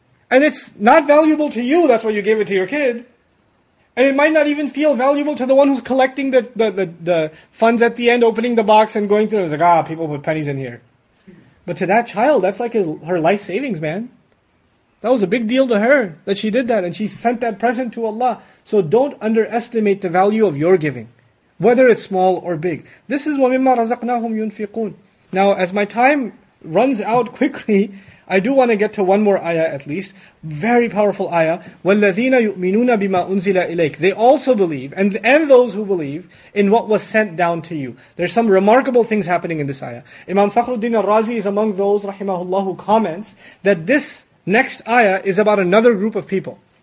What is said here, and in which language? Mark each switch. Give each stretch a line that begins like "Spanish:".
English: And it's not valuable to you, that's why you gave it to your kid. And it might not even feel valuable to the one who's collecting the funds at the end, opening the box and going through it. It's like, people put pennies in here. But to that child, that's like her life savings, man. That was a big deal to her, that she did that, and she sent that present to Allah. So don't underestimate the value of your giving, whether it's small or big. This is
Arabic: وَمِمَّا رَزَقْنَاهُمْ يُنْفِقُونَ.
English: Now, as my time runs out quickly, I do want to get to one more ayah at least. Very powerful ayah.
Arabic: وَالَّذِينَ يُؤْمِنُونَ بِمَا أُنزِلَ إِلَيْكَ.
English: They also believe, and those who believe, in what was sent down to you. There's some remarkable things happening in this ayah. Imam Fakhruddin al-Razi is among those, rahimahullah, who comments that this next ayah is about another group of people.